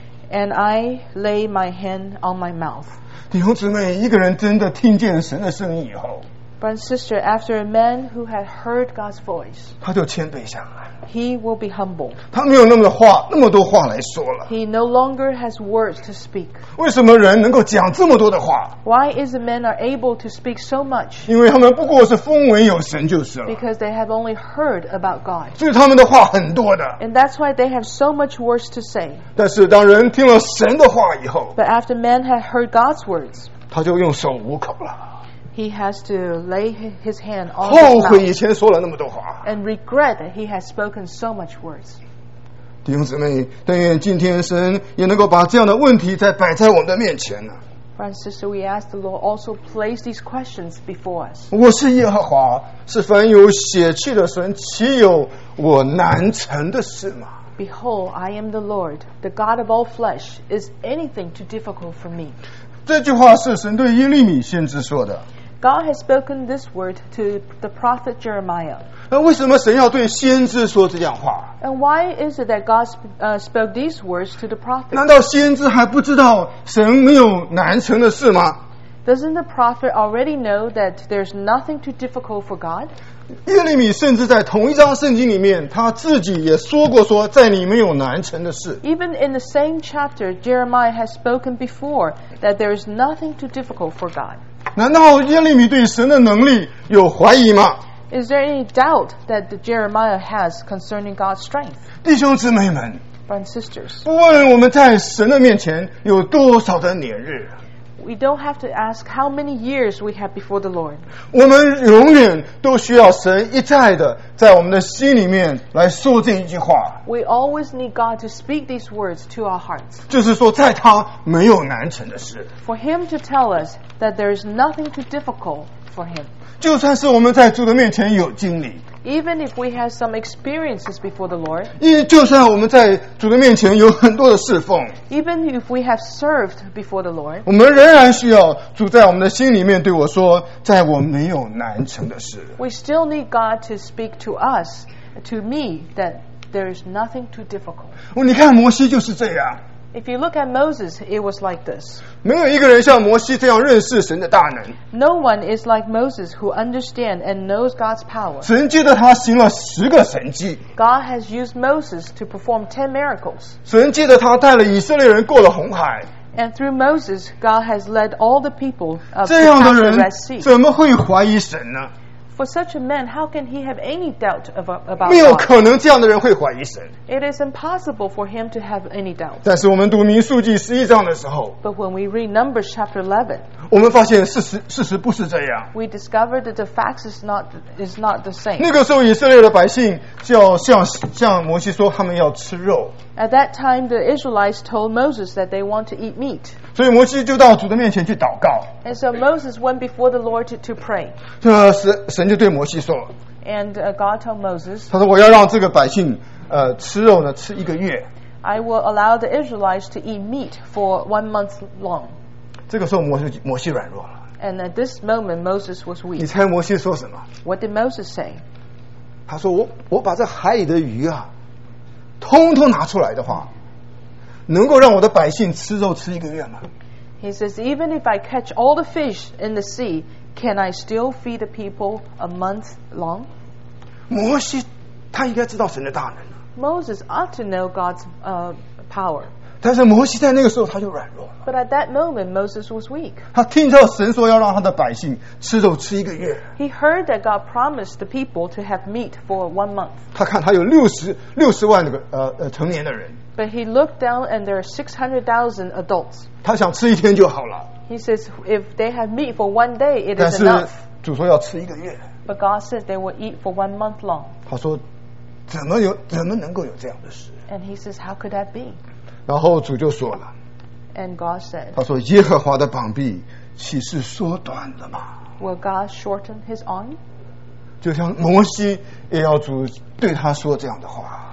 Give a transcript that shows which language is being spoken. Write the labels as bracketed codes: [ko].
[en] And I lay my hand on my mouth. [zh] 弟兄姊妹，一个人真的听见神的声音以后 [en] ，But sister, after a man who had heard God's voice, [zh] 他就谦卑下来。 [en] He will be humble. [zh] 他没有那么多话来说了。 [en] He no longer has words to speak. [zh] 为什么人能够讲这么多的话 [en] ？Why is a man are able to speak so much? [zh] 因为他们不过是风闻有神就是了。 [en] Because they have only heard about God. [zh] 所以他们的话很多的。 [en] And that's why they have so much words to say. [zh] 但是当人听了神的话以后 [en] ，But after man had heard God's words, [zh] 他就用手捂口了。 [en] He has to lay his hand on. [zh] 后悔以前说了那么多话。 [en] And regret that he has spoken so much words. [zh] 弟兄姊妹，但愿今天神也能够把这样的问题再摆在我们的面前呢。 [en] Friends, sister, we ask the Lord also place these questions before us. [zh] 我是耶和华，是凡有血气的神，岂有我难成的事吗？ [en] Behold, I am the Lord, the God of all flesh. Is anything too difficult for me? [zh] 这句话是神对耶利米先知说的。 [en] God has spoken this word to the prophet Jeremiah. [zh] 为什么神要对先知说这样话？ [en] And why is it that God spoke these words to the prophet? [zh] 难道先知还不知道神没有难成的事吗？ [en] Doesn't the prophet already know that there's nothing too difficult for God? [zh] 耶利米甚至在同一章圣经里面，他自己也说过说在你没有难成的事。 [en] Even in the same chapter, Jeremiah has spoken before that there is nothing too difficult for God. [zh] 难道耶利米对神的能力有怀疑吗 [en] ？Is there any doubt that Jeremiah has concerning God's strength？ [zh] 弟兄姊妹们 [en] ，Brothers and sisters， [zh] 不问我们在神的面前有多少的年日 [en] ，We don't have to ask how many years we have before the Lord。 [zh] 我们永远都需要神一再的在我们的心里面来说这一句话。 [en] We always need God to speak these words to our hearts。 [zh] 就是说，在他没有难成的事。 [en] For Him to tell us。 That there is nothing too difficult for him. [zh] 就算是我们在主的面前有经历 [en] even if we have some experiences before the Lord. [zh] 就算我们在主的面前有很多的侍奉 [en] even if we have served before the Lord. [zh] 我们仍然需要主在我们的心里面对我说，在我没有难成的事。 [en] We still need God to speak to us, to me, that there is nothing too difficult. [zh] 你看摩西就是这样。 [en] If you look at Moses, it was like this. [zh] 没有一个人像摩西这样认识神的大能。 [en] No one is like Moses who understands and knows God's power. [zh] 神借着他行了十个神迹。 [en] God has used Moses to perform 10 miracles. [zh] 神借着他带了以色列人过了红海。 [en] And through Moses, God has led all the people of the Red Sea. [zh] 怎么会怀疑神呢? [en] For such a man, how can he have any doubt about [zh] 没有可能这样的人会怀疑神。 [en] It is impossible for him to have any doubt. [zh] 但是我们读民数记11章的时候, [en] But when we read Numbers chapter 11, [zh] 我们发现事实不是这样。 [en] We discovered that the facts is not the same. [zh] 那个时候以色列的百姓向摩西说他们要吃肉。 [en] At that time, the Israelites told Moses that they want to eat meat. [zh] 所以摩西就到主的面前去祷告。 [en] And so Moses went before the Lord to pray. [zh] 神就对摩西说, [en] And God told Moses, [zh] 他说我要让这个百姓, 吃肉呢, 吃一个月。 [en] I will allow the Israelites to eat meat for 1 month long. [zh] 这个时候摩西软弱了。 [en] And at this moment, Moses was weak. [zh] 你猜摩西说什么? [en] What did Moses say? [zh] 他说我把这海里的鱼啊, 通通拿出来的话, 能够让我的百姓吃肉吃一个月吗? [en] He says, even if I catch all the fish in the sea, can I still feed the people a month long? [zh] 摩西他应该知道神的大能。 [en] Moses ought to know God's power. [zh] 但是摩西在那个时候他就软弱。 [en] But at that moment, Moses was weak. [zh] 他听到神说要让他的百姓吃肉吃一个月。 [en] He heard that God promised the people to have meat for 1 month. [zh] 他看他有60万成年的人。 [en] But he looked down and there are 600,000 adults. [zh] 他想吃一天就好了。 [en] He says, if they have meat for 1 day, it is enough. [zh] 但是主说要吃一个月。 [en] But God said they will eat for 1 month long. [zh] 他说怎么能够有这样的事? [en] And he says, how could that be? [zh] 然后主就说了。 [en] And God said, [zh] 他说耶和华的膀臂岂是缩短的吗? [en] Will God shorten his arm? [zh] 就像摩西也要主对他说这样的话。